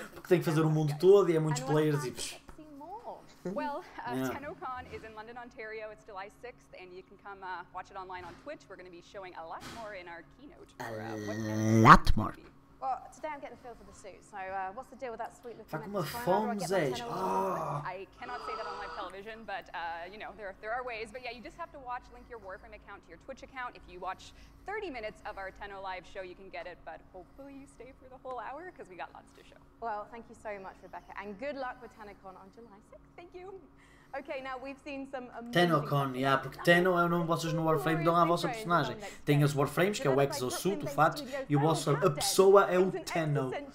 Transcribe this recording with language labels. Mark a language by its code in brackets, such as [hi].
[pt] Porque tem que fazer o mundo todo e é muitos players e... [en] Well, TennoCon is in London, Ontario. It's July 6th, and you can come watch it online on Twitch. We're going to be showing a lot more in our keynote. A lot more. Well, today I'm getting a feel for the suit. So, what's the deal with that sweet looking? Like my foam's edge. I cannot say that on live television, but you know there are ways. But yeah, you just have to watch, link your Warframe account to your Twitch account. If you watch 30 minutes of our Tenno live show, you can get it. But hopefully you stay for the whole hour because we got lots to show. Well, thank you so much, Rebecca, and good luck with TennoCon on July 6th. Thank you. Okay, now we've seen some amazing. [pt] TennoCon, yeah, porque Tenno é o nome que vocês no Warframe dão à vossa personagem. Tem os Warframes, que é o exosuit, o fato, e o vosso, a pessoa é o Tenno.